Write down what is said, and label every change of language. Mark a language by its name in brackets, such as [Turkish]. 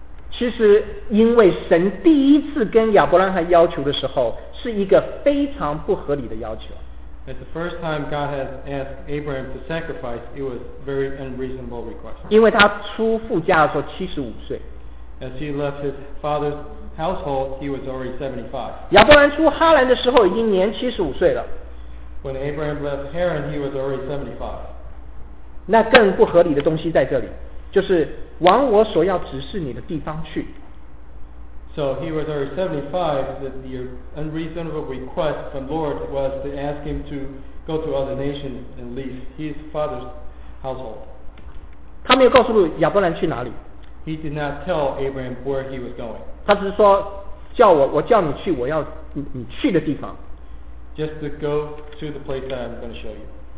[Chinese] 其实因为神第一次跟亚伯拉罕要求的时候是一个非常不合理的要求。 [English] At the first time God had asked Abraham to sacrifice, it was a very unreasonable request. [Chinese] 因为他出父家的时候75岁。 [English] As he left his father's household, he was already 75. [Chinese] 亚伯兰出哈兰的时候已经年75岁了。 [English] When Abraham left Haran, he was already 75. [Chinese] 那更不合理的东西在这里，就是往我所要指示你的地方去。 [English] So he was already 75, that the unreasonable request from Lord was to ask him to go to other nations and leave his father's household. [Chinese] 他没有告诉亚伯兰去哪里。 [English] He did not tell Abraham where he was going. [Chinese] 他只是说叫我叫你去我要 你去的地方。 [English] Just to go to the place that I'm going to show you.